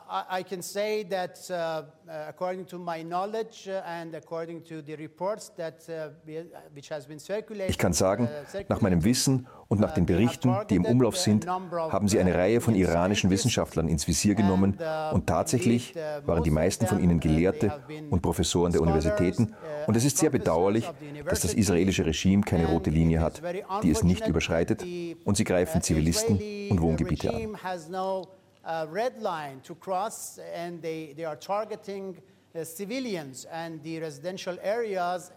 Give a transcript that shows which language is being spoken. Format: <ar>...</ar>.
<en>I can say that according to my knowledge and according to the reports that which has been circulated.</en> <de>Ich kann sagen, nach meinem Wissen und nach den Berichten, die im Umlauf sind, haben sie eine Reihe von iranischen Wissenschaftlern ins Visier genommen, und tatsächlich waren die meisten von ihnen Gelehrte und Professoren der Universitäten. Und es ist sehr bedauerlich, dass das israelische Regime keine rote Linie hat, die es nicht überschreitet, und sie greifen Zivilisten und Wohngebiete an.</de> <en>Red line to cross, and they are targeting civilians and the residential areas.</en>